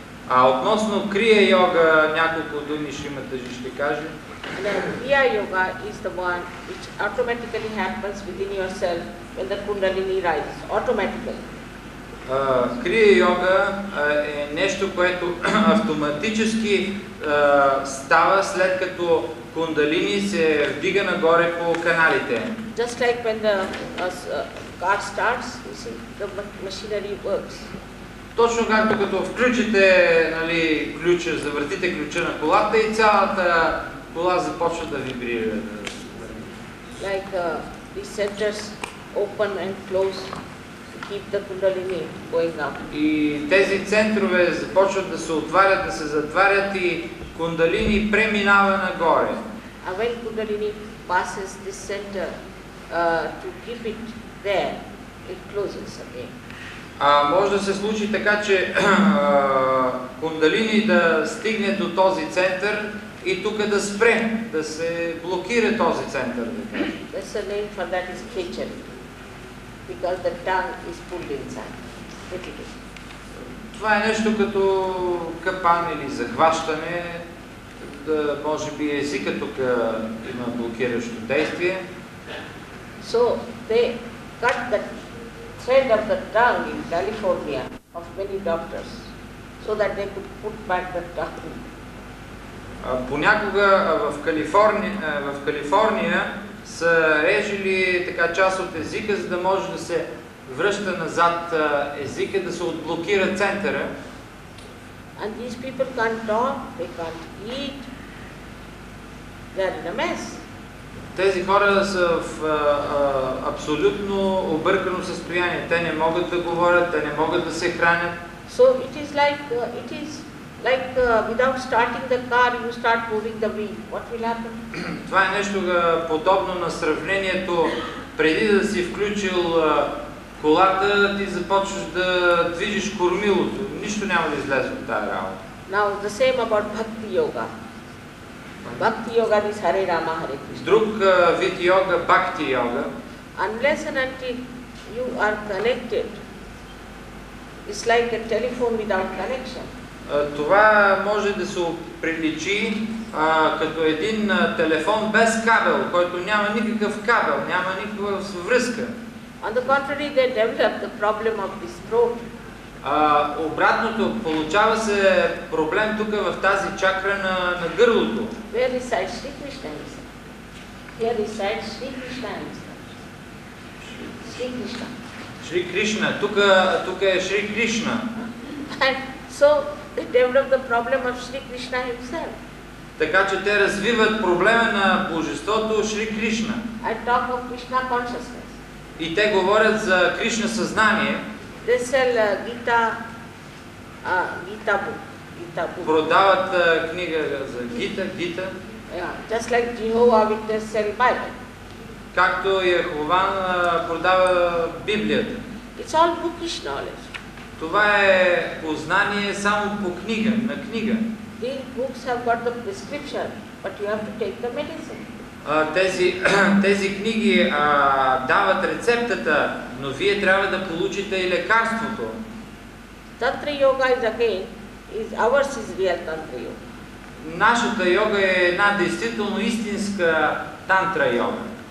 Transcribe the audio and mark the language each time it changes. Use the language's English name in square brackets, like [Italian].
[Bulgarian] А относно Крия йога, няколко думи Шрима Таджи ще каже. [English] Kriya Yoga is the one which automatically happens within yourself when the Kundalini rises, automatically. [Bulgarian] Крия йога е нещо, което автоматически става след като Кундалини се вдига нагоре по каналите. [English] Just like when the car starts, you see, the machinery works. [Bulgarian] Точно както като включите, нали, ключа, завъртите ключа на колата и цялата кола започва да вибрира. [English] Like the centers open and close to keep the Kundalini going up. [Bulgarian] И тези центрове започват да се отварят, да се затварят и Кундалини преминава нагоре. [English] when Kundalini passes this center to keep it there, it closes again. [Bulgarian] Може да се случи така, че Кундалини да стигне до този център и тук да спре, да се блокира този център. [English] There's a name for that is Khechari, because the tongue is pulled inside. [Bulgarian] Това е нещо като капан или захващане, да може би езика тук има блокиращо действие. [English] So they cut the thread of the tongue in California of many doctors, so that they could put back the tongue. [Bulgarian] Понякога в Калифорния са режили така част от езика, за да може да се връща назад езика, да се отблокира центъра. [English] And these people can't talk, they can't eat, they're in a mess. [Bulgarian] Тези хора са в абсолютно объркано състояние. Те не могат да говорят, те не могат да се хранят. [English] So it is like without starting the car, you start moving the wheel. What will happen? [Bulgarian] Това е нещо подобно на сравнението. Преди да си включил колата, ти започваш да движиш кормилото. Нищо няма да излезе от тази работа. [English] Now the same about bhakti yoga. Bhakti yoga is Hare Rama Hare Krishna. [Bulgarian] Друг вид йога, бхакти йога. [English] Unless and until you are connected, it's like a telephone without connection. [Bulgarian] Това може да се приличи като един телефон без кабел, който няма никакъв кабел, няма никаква връзка. [English] On the contrary, they develop the problem of this throat. [Bulgarian] Обратното, получава се проблем тук в тази чакра на гърлото. [English] Where is Sai Shri Krishna? Here is Sai Shri Krishna. Shri Krishna. [Bulgarian] Тук е Шри Кришна. [English] So they develop the problem of Shri Krishna himself. [Bulgarian] Така че те развиват проблема на Божеството Шри Кришна. [English] I talk of Krishna consciousness. [Bulgarian] И те говорят за Кришна съзнание. [English] They sell Gita book. [Bulgarian] Продават книга за Гита. [English] Yeah, just like Jehovah Witness sell Bible. [Bulgarian] Както Йехова продава Библията. [English] It's all bookish knowledge. [Bulgarian] Това е познание само по книга, на книга. [English] These books have got the prescription, but you have to take the medicine. [Bulgarian] Тези книги дават рецептата, но вие трябва да получите и лекарството. [English] Тантра йога is again, is ours is real тантра йога. [Bulgarian] Нашата йога е една действително истинска тантра йога.